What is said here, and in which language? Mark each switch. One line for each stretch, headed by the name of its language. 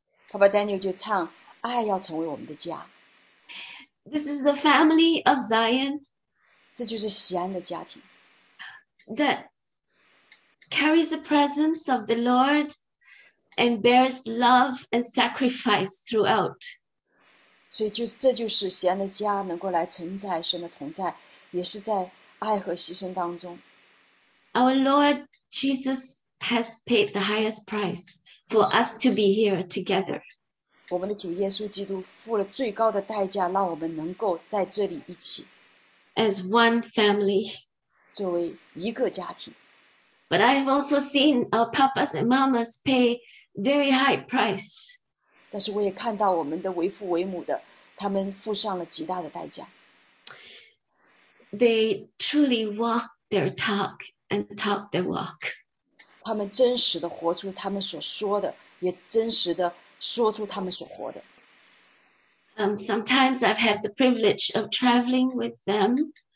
Chinese: Papa Daniel 就唱，爱要成为我们的家。
English: This is the family of Zion.
Chinese: 这就是锡安的家庭。
English: That carries the presence of the Lord and bears love and sacrifice throughout.
Chinese: 所以就这就是锡安的家能够来承载神的同在，也是在爱和牺牲当中。
English: Our Lord Jesus has paid the highest price for us to be here together.
Chinese: 我们的主耶稣基督付了最高的代价，让我们能够在这里一起。
English: As one family.
Chinese: 作为一个家庭。
English: But I have also seen our papas and mamas pay very high price.
Chinese: 但是我也看到我们的为父为母的，他们付上了极大的代价。
English: They truly walk their talk. And talk their walk.
Chinese: 他们真实地活出他们所说的，也真实地说出他们所活的。
English: Sometimes I've had the privilege of traveling with them.